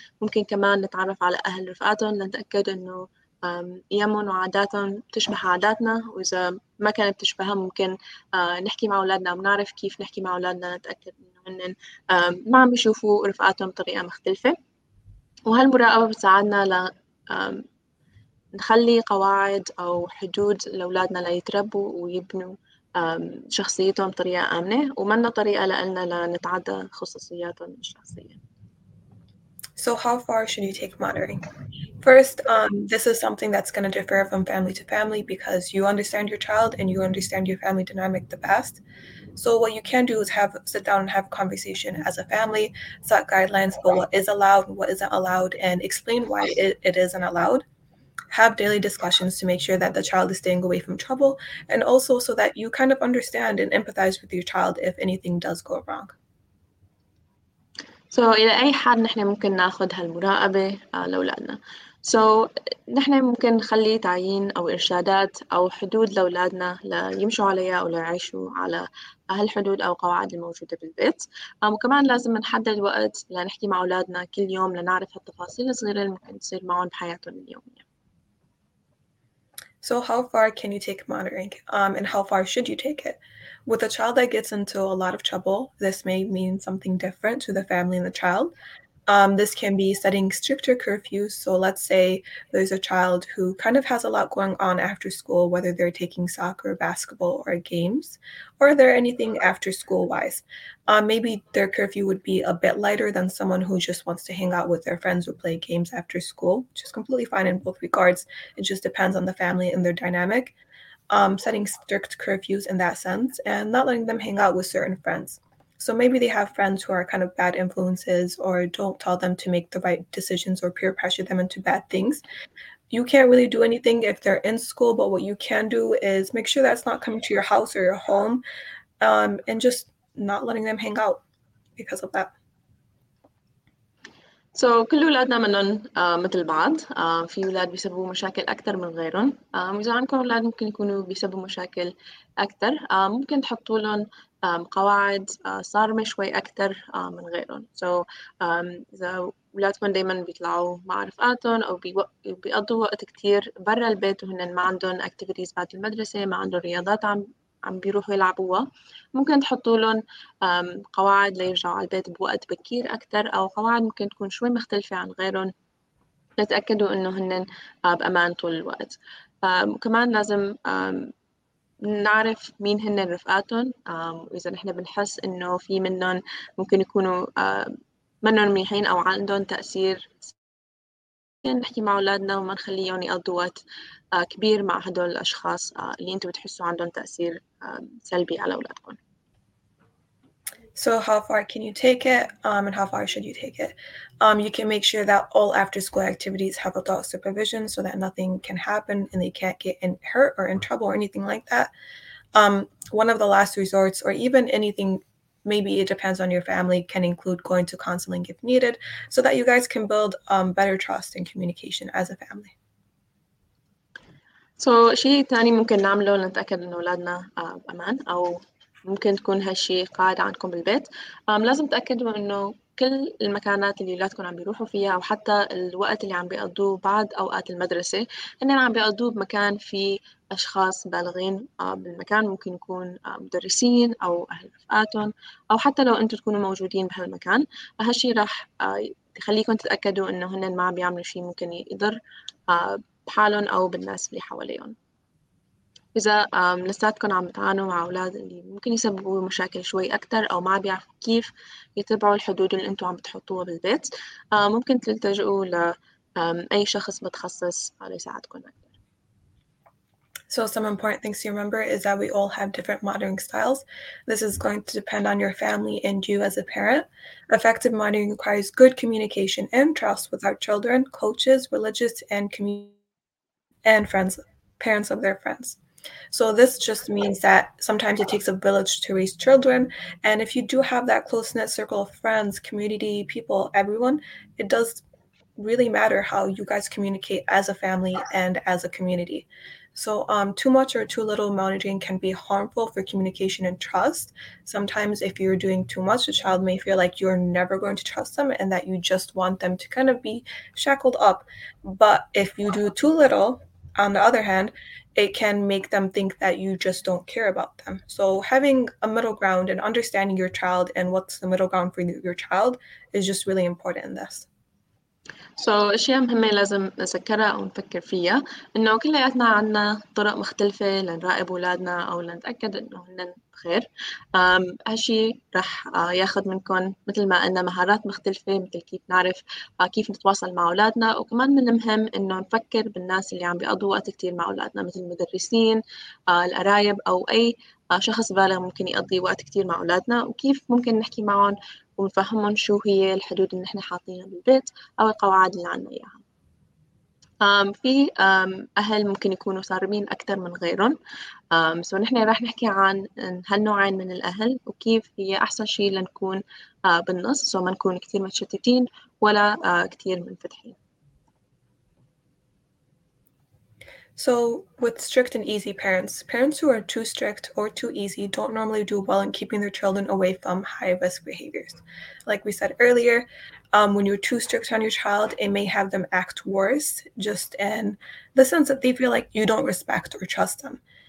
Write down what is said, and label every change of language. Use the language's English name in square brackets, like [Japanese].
[Arabic] ممكن كمان نتعرف على أهل رفقاتهم لنتأكد إنه قيمهم وعاداتهم تشبه عاداتنا، وإذا ما كانت تشبهها ممكن نحكي مع أولادنا ونعرف كيف نحكي مع أولادنا نتأكد إنه هنن ما عم يشوفوا رفقاتهم بطريقة مختلفة. وهالمراقبة بتساعدنا لنخلي قواعد أو حدود لأولادنا ليتربوا ويبنوا شخصيتهم بطريقة آمنة، ومنا طريقة لإلنا لنتعدى خصوصياتهم الشخصية. [English] So how far should you take monitoring? First, this is something that's going to differ from family to family because you understand your child and you understand your family dynamic the best. So what you can do is have sit down and have a conversation as a family, set guidelines for what is allowed and what isn't allowed, and explain why it isn't allowed. Have daily discussions to make sure that the child is staying away from trouble, and also so that you kind of understand and empathize with your child if anything does go wrong. So [Arabic] إلى أي حد نحن ممكن نأخذ هالمراقبة لأولادنا؟ So نحن ممكن نخلي تعيين أو إرشادات أو حدود لأولادنا ليمشوا عليها أو ليعيشوا على هالحدود أو قواعد الموجودة بالبيت. وكمان لازم نحدد وقت لنحكي مع أولادنا كل يوم لنعرف هالتفاصيل الصغيرة اللي ممكن تصير معهم بحياتهم اليومية. [English] So how far can you take monitoring, and how far should you take it? With a child that gets into a lot of trouble, this may mean something different to the family and the child. This can be setting stricter curfews. So let's say there's a child who kind of has a lot going on after school, whether they're taking soccer, basketball, or games, or they're anything after school-wise. Maybe their curfew would be a bit lighter than someone who just wants to hang out with their friends or play games after school, which is completely fine in both regards. It just depends on the family and their dynamic. Setting strict curfews in that sense and not letting them hang out with certain friends. So maybe they have friends who are kind of bad influences or don't tell them to make the right decisions or peer pressure them into bad things. You can't really do anything if they're in school, but what you can do is make sure that's not coming to your house or your home, and just not letting them hang out because of that. So [Arabic] كل أولادنا منهم مثل بعض. في أولاد بيسببوا مشاكل أكثر من غيرهم. إذا عندكم أولاد ممكن يكونوا بيسببوا مشاكل أكثر. ممكن تحطوا لهم قواعد صارمة شوي أكثر من غيرهم. [English] So [Arabic] إذا أولادكم دائما بيطلعوا مع رفقاتهم أو بيقضوا وقت كتير برا البيت وهن ما عندهم activities بعد المدرسة, ما عندهم رياضات عم بيروحوا يلعبوها, ممكن تحطوا لهم قواعد ليرجعوا على البيت بوقت بكير أكثر, أو قواعد ممكن تكون شوي مختلفة عن غيرهم لتأكدوا إنه هن بأمان طول الوقت. كمان لازم نعرف مين هن رفقاتهم. إذا نحن بنحس إنه في منهم ممكن يكونوا منهم منيحين أو عندهم تأثير, نحكي مع أولادنا وما نخليهم يقضوا وقت كبير مع هدول الأشخاص اللي أنتوا بتحسوا عندهم تأثير سلبي على أولادكم. [English] So how far can you take it, and how far should you take it? You can make sure that all after school activities have adult supervision so that nothing can happen and they can't get in hurt or in trouble or anything like that. One of the last resorts, or even anything, maybe it depends on your family, can include going to counseling if needed so that you guys can build better trust and communication as a family. So [Arabic] شيء ثاني ممكن نعمله لنتأكد إنه أولادنا بأمان, أو ممكن تكون هالشيء قاعدة عندكم بالبيت. لازم تأكدوا إنه كل المكانات اللي أولادكم عم بيروحوا فيها أو حتى الوقت اللي عم بيقضوه بعد أوقات المدرسة إنهم عم بيقضوه بمكان فيه أشخاص بالغين بالمكان, ممكن يكون مدرسين أو أهل رفقاتهم أو حتى لو أنتوا تكونوا موجودين بهالمكان. هالشيء راح يخليكم تتأكدوا إنه هن ما عم بيعملوا شيء ممكن يضر بحالهم أو بالناس اللي حواليهم. إذا لساتكم عم بتعانوا مع أولاد اللي ممكن يسببوا مشاكل شوي أكتر أو ما بيعرفوا كيف يتبعوا الحدود اللي أنتوا عم بتحطوها بالبيت, ممكن تلتجؤوا لأي شخص متخصص ليساعدكم أكتر. [English] So some important things to remember is that we all have different monitoring styles. This is going to depend on your family and you as a parent. Effective monitoring requires good communication and trust with our children, coaches, religious and community and friends, parents of their friends. So this just means that sometimes it takes a village to raise children. And if you do have that close-knit circle of friends, community, people, everyone, it does really matter how you guys communicate as a family and as a community. So too much or too little monitoring can be harmful for communication and trust. Sometimes if you're doing too much, the child may feel like you're never going to trust them and that you just want them to kind of be shackled up. But if you do too little, on the other hand, it can make them think that you just don't care about them. So having a middle ground and understanding your child and what's the middle ground for your child is just really important in this. [Arabic] سو الشيء المهم لازم نذكرها أو نفكر فيها إنه كلياتنا عنا طرق مختلفة لنراقب أولادنا أو لنتأكد إنه هن بخير. هالشي رح ياخذ منكم مثل ما قلنا مهارات مختلفة مثل كيف نعرف كيف نتواصل مع أولادنا، وكمان من المهم إنه نفكر بالناس اللي عم بيقضوا وقت كتير مع أولادنا مثل المدرسين، القرايب أو أي شخص بالغ ممكن يقضي وقت كتير مع أولادنا، وكيف ممكن نحكي معهم ونفهمهم شو هي الحدود اللي نحن حاطينها بالبيت أو القواعد اللي عنا إياها. في أهل ممكن يكونوا صارمين أكثر من غيرهم، سو نحن راح نحكي عن هالنوعين من الأهل وكيف هي أحسن شيء لنكون بالنص، سو ما نكون كتير متشتتين ولا كتير منفتحين. [English] So with strict and easy parents, parents who are too strict or too easy don't normally do well in keeping their children away from high risk behaviors. Like we said earlier, when you're too strict on your child, it may have them act worse just in the sense that they feel like you don't respect or trust them.